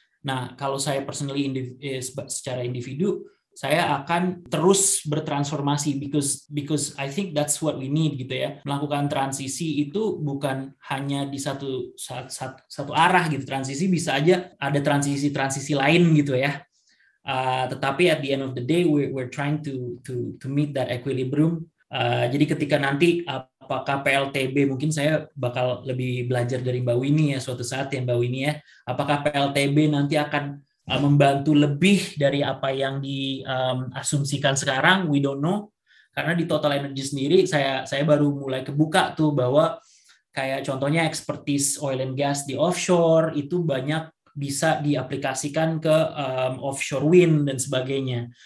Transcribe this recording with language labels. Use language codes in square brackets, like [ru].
[id] Nah, kalau saya personally secara individu, saya akan terus bertransformasi [en] because I think that's what we need [id] gitu ya. Melakukan transisi itu bukan hanya di satu arah gitu. Transisi bisa aja ada transisi-transisi lain gitu ya. Tetapi [en] at the end of the day, we're trying to meet that equilibrium. [id] Jadi ketika nanti apakah PLTB, mungkin saya bakal lebih belajar dari Mbak Winnie ya suatu saat ya Mbak Winnie ya, apakah PLTB nanti akan membantu lebih dari apa yang diasumsikan sekarang, [en] we don't know. [id] Karena di Total Energy sendiri saya baru mulai kebuka tuh bahwa kayak contohnya expertise oil and gas di offshore itu banyak bisa diaplikasikan ke offshore wind dan sebagainya.